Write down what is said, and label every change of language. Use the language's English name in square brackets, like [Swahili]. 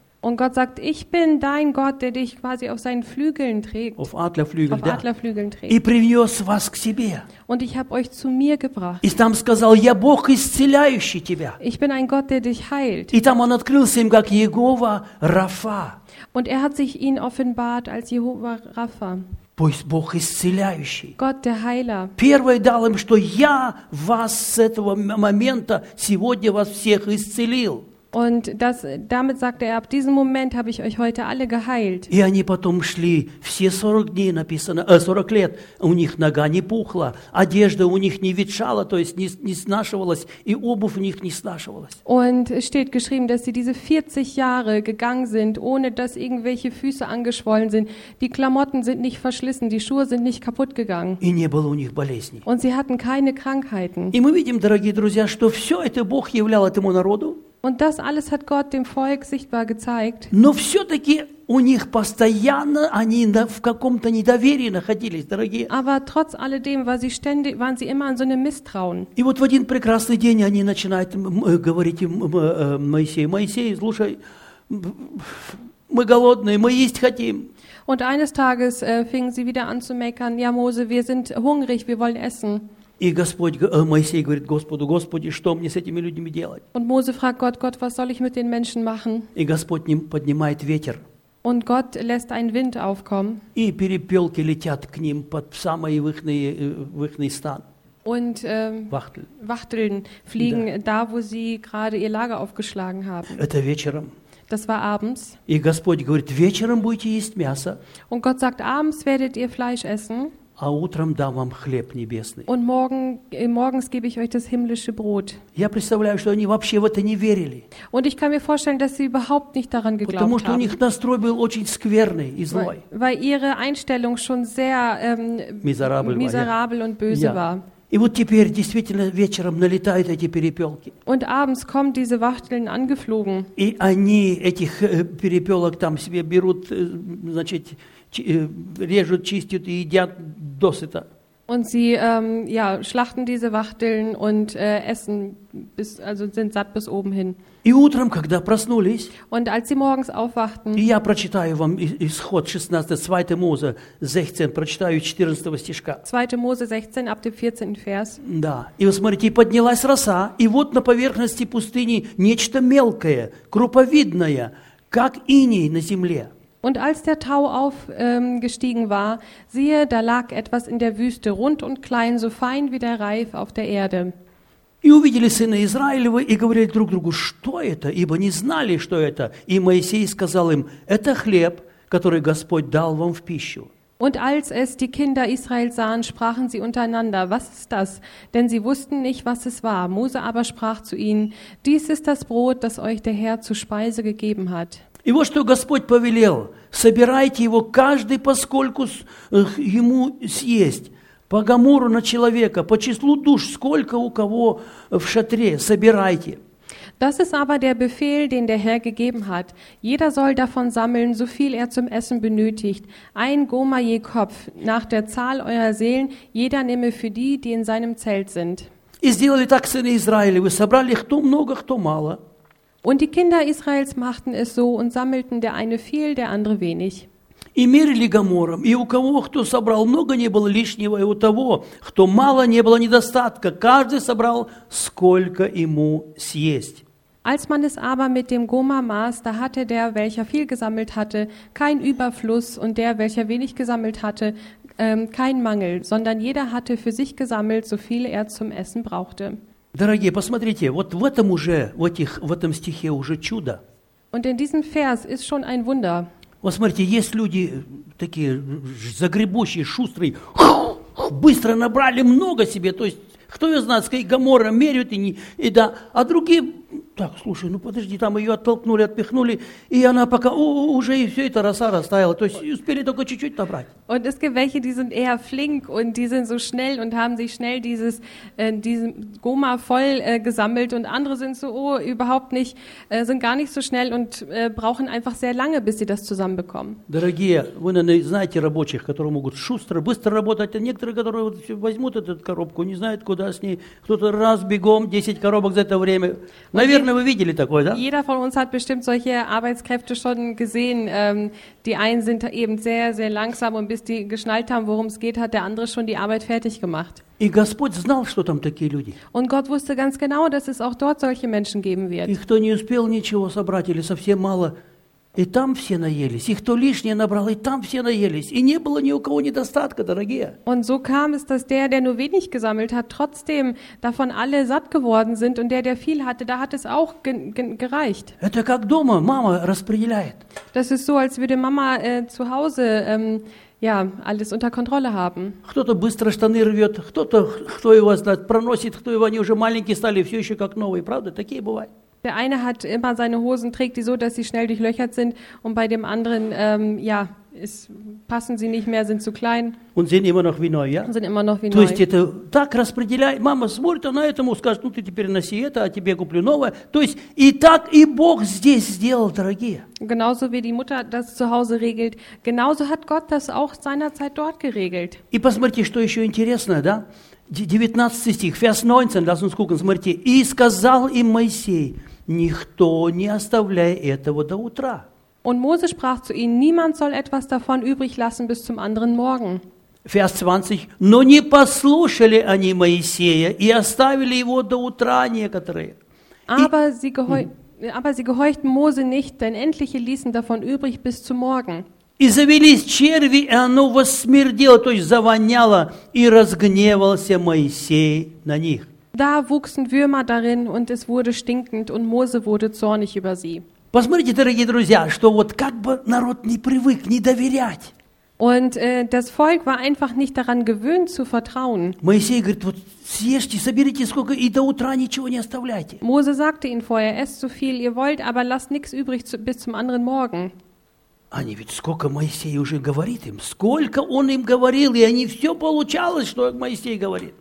[German] Und Gott sagt, ich bin dein Gott, der dich quasi auf seinen Flügeln trägt. Auf Adlerflügel, auf Adlerflügeln trägt. [Russian] И привез вас к себе. [German] Und ich habe euch zu mir gebracht. [Russian] И там сказал, я Бог, исцеляющий тебя. [German] Ich bin ein Gott, der dich heilt. [Russian] И там он открылся им, как Иегова Рафа. [German] Und hat sich ihnen offenbart als Jehova Rapha. [Russian] Пусть Бог исцеляющий. [German] Gott, der Heiler. [Russian] Первый дал им, что я вас с этого момента, сегодня вас всех исцелил. [German] Und das, damit sagte ab diesem Moment habe ich euch heute alle geheilt. [Russian] И они потом шли все 40 дней написано, 40 лет, у них нога не пухла, одежда у них не ветшала, то есть не снашивалась, и обувь у них не снашивалась. [German] Und steht geschrieben, dass sie diese 40 Jahre gegangen sind, ohne dass irgendwelche Füße angeschwollen sind. Die Klamotten sind nicht verschlissen, die Schuhe sind nicht kaputt gegangen. [Russian] И не было у них болезней. [German] Und sie hatten keine Krankheiten. [Russian] И мы видим, дорогие друзья, что все это Бог являл этому народу. [German] Und das alles hat Gott dem Volk sichtbar gezeigt. [Russian] Но все-таки у них постоянно они в каком-то недоверии находились, дорогие. [German] Aber trotz alledem waren sie immer in so einem Misstrauen. [Russian] И вот в один прекрасный день они начинают говорить Моисею: «Моисей, слушай, мы голодные, мы есть хотим». [German] Und eines Tages fingen sie wieder an zu meckern: «Ja, Mose, wir sind hungrig, wir wollen essen». [Russian] И Господь, Моисей говорит Господу: «Господи, что мне с этими людьми делать?» [German] Und Mose fragt Gott: «Gott, was soll ich mit den Menschen machen?» [Russian] И Господь поднимает ветер. [German] Und Gott lässt einen Wind aufkommen. [Russian] И перепелки летят к ним под самые в ихний стан. [German] Und Wachteln fliegen da, wo sie gerade ihr Lager aufgeschlagen haben. [Russian] Это вечером. [German] Das war abends. [Russian] И Господь говорит: «Вечером будете есть мясо». [German] Und Gott sagt: «Abends werdet ihr Fleisch essen». [Russian] А утром дам вам хлеб небесный. [German] Und morgens gebe ich euch das himmlische Brot. [Russian] Я представляю, что они вообще в это не верили. [German] Und ich kann mir vorstellen, dass sie überhaupt nicht daran geglaubt haben. [Russian] Потому что [German] haben. [Russian] У них настрой был очень скверный и злой. [German] Weil ihre Einstellung schon sehr miserabel und böse war. [Russian] И вот теперь действительно вечером налетают эти перепелки. [German] Und abends kommen diese Wachteln angeflogen. [Russian] И они этих перепелок там себе берут, значит, режут, чистят и едят досыта. [German] Und sie schlachten diese Wachteln und essen bis, also sind satt bis oben hin. [Russian] И утром, когда проснулись, [German] und als sie morgens aufwachten, [Russian] я прочитаю вам Исход 16, [German] 2 Mose 16, [Russian] прочитаю 14 стишка. [German] 2 Mose 16, ab dem 14. Vers. [Russian] Да. И вы смотрите, поднялась роса, и вот на поверхности пустыни нечто мелкое, круповидное, как иней на земле. [German] Und als der Tau aufgestiegen war, siehe, da lag etwas in der Wüste, rund und klein, so fein wie der Reif auf der Erde. [Russian] И увидели сыны Израилевы и говорили друг другу, что это, ибо не знали, что это. И Моисей сказал им, это хлеб, который Господь дал вам в пищу. [German] Und als es die Kinder Israels sahen, sprachen sie untereinander, was ist das? Denn sie wussten nicht, was es war. Mose aber sprach zu ihnen, dies ist das Brot, das euch der Herr zur Speise gegeben hat. [Russian] И вот что Господь повелел: собирайте его каждый, поскольку ему съесть, по гомору на человека, по числу душ, сколько у кого в шатре, собирайте. [German] Das ist aber der Befehl, den der Herr gegeben hat. Jeder soll davon sammeln, so viel zum Essen benötigt. Ein Gomer je Kopf, nach der Zahl eurer Seelen, jeder nehme für die in seinem Zelt sind. [Russian] И сделали так сыны Израилевы, собрали кто много, кто мало. [German] Und die Kinder Israels machten es so und sammelten der eine viel, der andere wenig. [Russian] И мерили Гоморром, и у кого, кто собрал много, не было лишнего, и у того, кто мало, не было недостатка. Каждый собрал, сколько ему съесть. [German] Als man es aber mit dem Gomer maß, da hatte der, welcher viel gesammelt hatte, kein Überfluss, und der, welcher wenig gesammelt hatte, kein Mangel, sondern jeder hatte für sich gesammelt, so viel er zum Essen brauchte. [Russian] Дорогие, посмотрите, вот в этом уже, в этих, в этом стихе уже чудо. [German] Und in diesem Vers ist schon ein Wunder. [Russian] Вот смотрите, есть люди такие загребущие, шустрые, быстро набрали много себе, то есть, кто ее знает, скорее Гоморра меряют, и да, а другие, так, слушай, ну подожди, там ее оттолкнули, отпихнули, и она пока уже и все это роса растаяла, то есть успели только чуть-чуть набрать. [German] Und es gibt welche, die sind eher flink und die sind so schnell und haben sich schnell dieses, diesen Goma voll gesammelt und andere sind so, oh, überhaupt nicht, sind gar nicht so schnell und brauchen einfach sehr lange, bis sie das zusammenbekommen. [Russian] Дорогие, вы, наверное, знаете рабочих, которые могут шустро, быстро работать, а некоторые, которые вот возьмут эту коробку, не знают, куда с ней, кто-то раз бегом 10 коробок за это время. Наверное, вы видели такое, да? [German] Jeder von uns hat bestimmt solche Arbeitskräfte schon gesehen. Die einen sind eben sehr, sehr langsam und bis die geschnallt haben, worum es geht, hat der andere schon die Arbeit fertig gemacht. [Russian] И Господь знал, что там такие люди. [German] Und Gott wusste ganz genau, dass es auch dort solche Menschen geben wird. [Russian] И кто не успел ничего собрать или совсем мало, и там все наелись. И кто лишнее набрал, и там все наелись. И не было ни у кого недостатка, дорогие. [German] Und so kam es, dass der, der nur wenig gesammelt hat, trotzdem davon alle satt geworden sind. Und der, der viel hatte, da hat es auch gereicht. [Russian] Это как дома мама распределяет. [German] Das ist so, als würde Mama zu Hause ja, alles unter Kontrolle haben. [Russian] Кто-то быстро штаны рвет, кто-то, кто его знает, проносит, кто его, они уже маленькие стали, все еще как новые, правда? Такие бывают. [German] Der eine hat immer seine Hosen, trägt die so, dass sie schnell durchlöchert sind, und bei dem anderen, ja, ist, passen sie nicht mehr, sind zu klein. Und sehen immer noch wie neu, ja? Sind immer noch wie neu. [Russian] То есть это так распределяй, мама смотрит, она этому скажет, ну ты теперь носи это, а тебе куплю новое. То есть и так и Бог здесь сделал, дорогие. [German] Genauso wie die Mutter das zu Hause regelt, genauso hat Gott das auch seinerzeit dort geregelt. [Russian] И посмотрите, что еще интересно, да? [German] 19 [Russian] стих, [German] Vers 19, lass uns gucken, [Russian] смотрите. «И сказал им Моисей, никто не оставляй этого до утра». [German] Und Mose sprach zu ihnen, niemand soll etwas davon übrig lassen bis zum anderen Morgen. Vers 20, [Russian] «Но не послушали они Моисея и оставили его до утра некоторые». [German] Aber sie gehorchten Mose nicht, denn endlich ließen davon übrig bis zum Morgen. [Russian] И завелись черви, и оно восмердело, то есть завоняло, и разгневался Моисей на них. [German] Da wuchsen Würmer darin, und es wurde stinkend, und Mose wurde zornig über sie. [Russian] Посмотрите, дорогие друзья, что вот как бы народ не привык, не доверять. [German] Und das Volk war einfach nicht daran gewöhnt zu vertrauen. [Russian] Моисей говорит, вот съешьте, соберите сколько, и до утра ничего не оставляйте. [German] Mose sagte ihnen vorher, esst so viel ihr wollt, aber lasst nichts übrig bis zum anderen Morgen. [Russian] Они ведь сколько Моисей уже говорит им, сколько он им говорил, и они все получалось, что Моисей говорит.